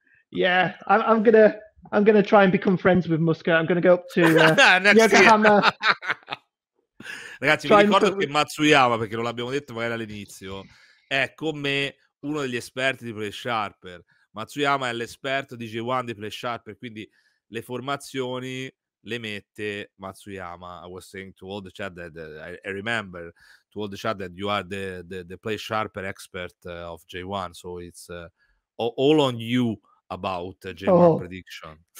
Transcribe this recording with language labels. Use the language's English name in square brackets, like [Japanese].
[English] Yeah, I'm gonna try and become friends with Muscat. I'm gonna go up to Yokohama. [Italian] Ragazzi, mi ricordo che Matsuyama, perché non l'abbiamo detto magari all'inizio, è con me uno degli esperti di Play Sharper. Matsuyama è l'esperto di J1 di Play Sharper, quindi le formazioni le mette Matsuyama. [English] I was saying to all the chat that I remember to all the chat that you are the Play Sharper expert of J1, so it's all on you about J1 prediction.